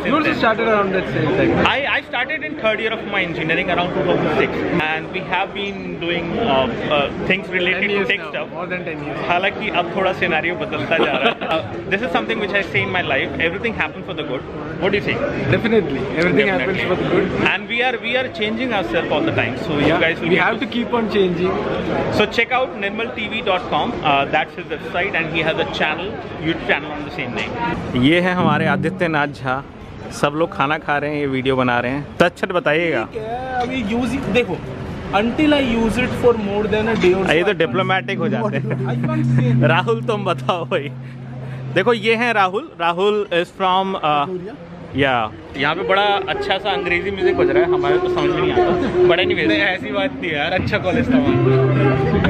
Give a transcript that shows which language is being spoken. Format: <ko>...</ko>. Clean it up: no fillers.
<en>I started in third year of my engineering around 2006 and we have been doing things related to tech stuff more than 10 years.</en> <hi>हालांकि अब थोड़ा scenario बदलता जा रहा है।</hi> <en>This is something which I see in my life, everything happens for the good. What do you think? Definitely. Everything happens for the good. And we are changing ourselves all the time. So yeah, you guys will we have to keep on changing. So check out nirmaltv.com. That's his website and he has a channel, YouTube channel on the same name.</en> <hi>ये है हमारे आदित्यनाथ झा। सब लोग खाना खा रहे हैं, ये वीडियो बना रहे हैं। तत्क्षण बताइएगा। अभी यूज़ देखो।</hi> <en>Until I use it for more than a day or</en> <hi>so. ये तो diplomatic हो जाते हैं। राहुल तुम बताओ भाई। देखो ये हैं राहुल। राहुल</hi> <en>is from या</en> <hi>यहाँ पे बड़ा अच्छा सा अंग्रेजी म्यूजिक बज रहा है, हमारे तो समझ नहीं आता। बड़े नहीं भेजते ऐसी बात थी यार, अच्छा कॉलेज था वहाँ।</hi>